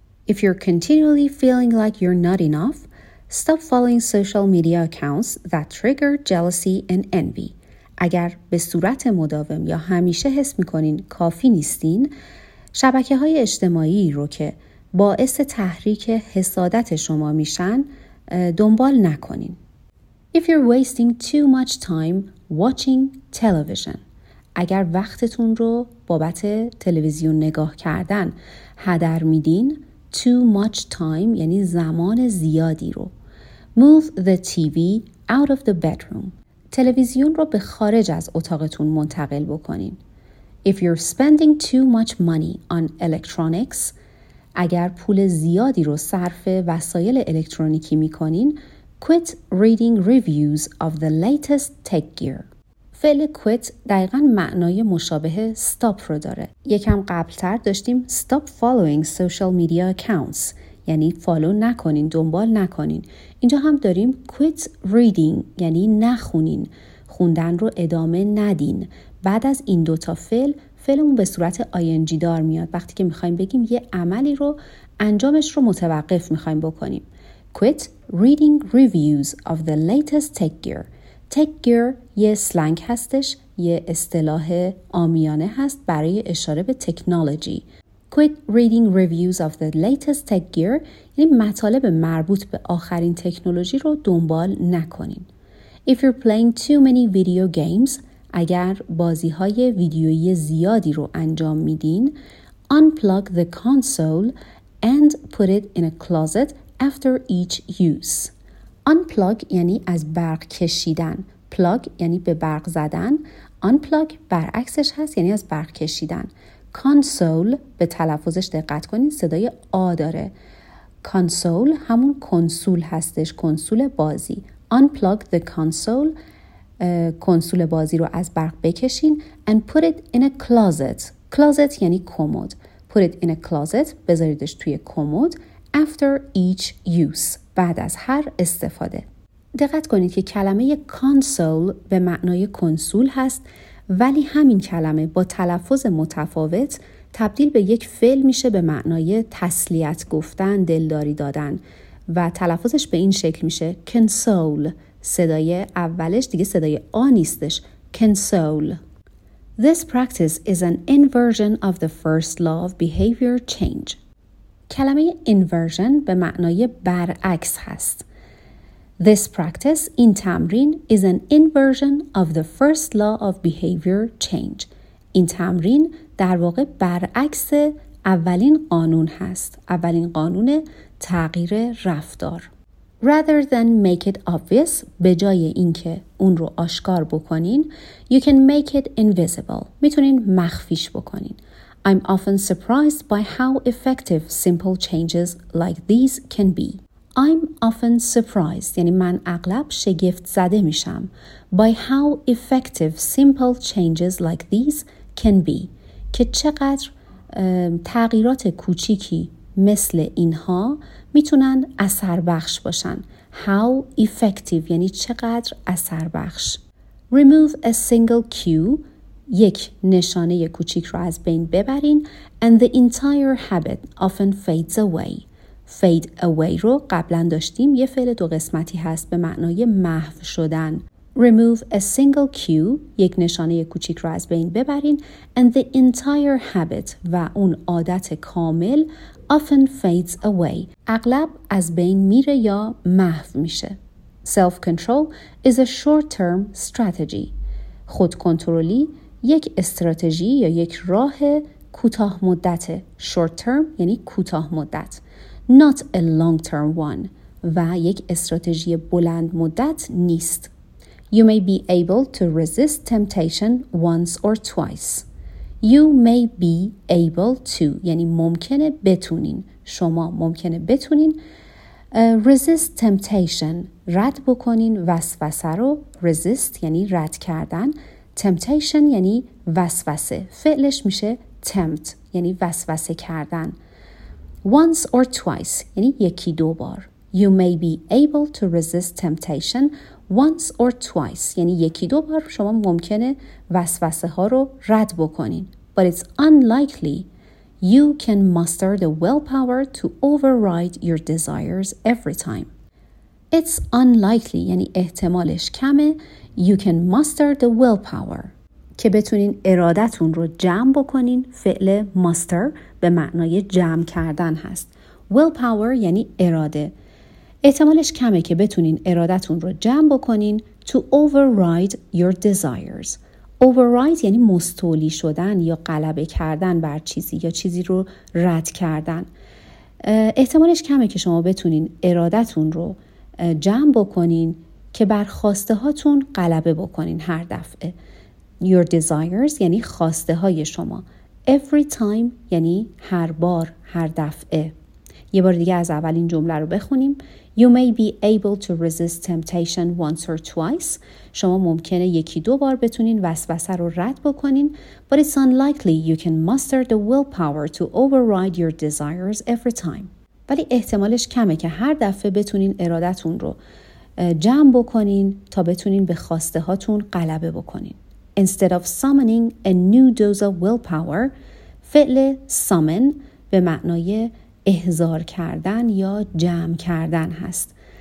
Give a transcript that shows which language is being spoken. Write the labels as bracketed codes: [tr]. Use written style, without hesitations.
[en] if you're continually feeling like you're not enough stop following social media accounts that trigger jealousy and envy [fa] اگر به صورت مداوم یا همیشه حس میکنین کافی نیستین، شبکه های اجتماعی رو که باعث تحریک حسادت شما میشن، دنبال نکنین. [en] If you're wasting too much time watching television، [fa] اگر وقتتون رو بابت تلویزیون نگاه کردن هدر میدین، [en] too much time [fa] یعنی زمان زیادی رو. [en] Move the TV out of the bedroom. [fa] تلویزیون رو به خارج از اتاقتون منتقل بکنین. [en] If you're spending too much money on electronics، [fa] اگر پول زیادی رو صرف وسایل الکترونیکی میکنین، [en] quit reading reviews of the latest tech gear. [fa] فعل quit دقیقاً معنای مشابه stop رو داره. یکم قبلتر داشتیم [en] stop following social media accounts، [fa] یعنی فالو نکنین، دنبال نکنین. اینجا هم داریم [en] quit reading [fa] یعنی نخونین، خوندن رو ادامه ندین. بعد از این دوتا فعل، فعلمون به صورت ing دار میاد. وقتی که میخواییم بگیم یه عملی رو انجامش رو متوقف میخواییم بکنیم. [en] quit reading reviews of the latest tech gear. [fa] tech gear یه سلنگ هستش، یه اصطلاح عامیانه هست برای اشاره به تکنولوژی. [en] Quit reading reviews of the latest tech gear [fa] یعنی مطالب مربوط به آخرین تکنولوژی رو دنبال نکنین. [en] If you're playing too many video games [fa] اگر بازی های ویدیویی زیادی رو انجام میدین [en] unplug the console and put it in a closet after each use. [fa] Unplug یعنی از برق کشیدن. Plug یعنی به برق زدن. Unplug برعکسش هست یعنی از برق کشیدن. کانسول به تلفظش دقت کنین صدای آ داره. کانسول همون کنسول هستش، کنسول بازی. [en] Unplug the console، [fa] کنسول بازی رو از برق بکشین. [en] And put it in a closet. [fa] Closet یعنی کمد. [en] Put it in a closet، [fa] بذاریدش توی کمد. [en] After each use، [fa] بعد از هر استفاده. دقت کنید که کلمه کانسول به معنای کنسول هست، ولی همین کلمه با تلفظ متفاوت تبدیل به یک فعل میشه به معنای تسلیت گفتن، دلداری دادن و تلفظش به این شکل میشه کنسول. صدای اولش دیگه صدای آ نیستش، کنسول. [en] This practice is an inversion of the first law of behavior change. [fa] کلمه inversion به معنای برعکس هست. [en] This practice, [fa] این تمرین, [en] is an inversion of the first law of behavior change. [fa] این تمرین در واقع برعکس اولین قانون هست. اولین قانون تغییر رفتار. [en] Rather than make it obvious, [fa] به جای اینکه اون رو آشکار بکنین, [en] you can make it invisible. [fa] میتونین مخفیش بکنین. [en] I'm often surprised by how effective simple changes like these can be. I'm often surprised, [fa] یعنی من اغلب شگفت زده میشم, [en] by how effective simple changes like these can be, [fa] که چقدر تغییرات کوچیکی مثل اینها میتونن اثر بخش باشن. How effective یعنی چقدر اثر بخش. [en] Remove a single cue, [fa] یک نشانه کوچیک را از بین ببرین, [en] and the entire habit often fades away. [fa] Fade away رو قبلا داشتیم, یه فعل دو قسمتی هست به معنای محو شدن. [en] Remove a single cue, [fa] یک نشانه کوچیک را از بین ببرین, [en] and the entire habit [fa] و اون عادت کامل [en] often fades away. [fa] اغلب از بین میره یا محو میشه. [en] Self-control is a short-term strategy. [fa] خودکنترلی یک استراتژی یا یک راه کوتاه مدته. Short-term یعنی کوتاه مدت. [en] Not a long-term one. [fa] و یک استراتژی بلند مدت نیست. [en] You may be able to resist temptation once or twice. You may be able to, [fa] یعنی ممکنه بتونین, شما ممکنه بتونین [en] resist temptation, [fa] رد بکنین وسوسه رو. Resist یعنی رد کردن, temptation یعنی وسوسه, فعلش میشه tempt یعنی وسوسه کردن. Once or twice یعنی یکی دو بار. [en] You may be able to resist temptation once or twice [fa] یعنی یکی دو بار شما ممکنه وسوسه ها رو رد بکنین. [en] But it's unlikely you can muster the willpower to override your desires every time. It's unlikely [fa] یعنی احتمالش کمه. [en] You can muster the willpower [fa] که بتونین ارادتون رو جمع بکنین. فعل muster به معنای جمع کردن هست. Willpower یعنی اراده. احتمالش کمه که بتونین ارادتون رو جمع بکنین [en] to override your desires. [fa] Override یعنی مستولی شدن یا غلبه کردن بر چیزی یا چیزی رو رد کردن. احتمالش کمه که شما بتونین ارادتون رو جمع بکنین که بر خواسته هاتون غلبه بکنین هر دفعه. [en] Your desires [fa] یعنی خواسته های شما. [en] Every time [fa] یعنی هر بار, هر دفعه. یه بار دیگه از اول این جمله رو بخونیم. [en] You may be able to resist temptation once or twice. [fa] شما ممکنه یکی دو بار بتونین وسوسه رو رد بکنین. [en] But it's unlikely you can muster the willpower to override your desires every time. [fa] ولی احتمالش کمه که هر دفعه بتونین ارادتون رو جمع بکنین تا بتونین به خواسته هاتون غلبه بکنین. [en] Instead of summoning a new dose of willpower, [fa] فعل summon به معنای احضار کردن یا جمع کردن هست.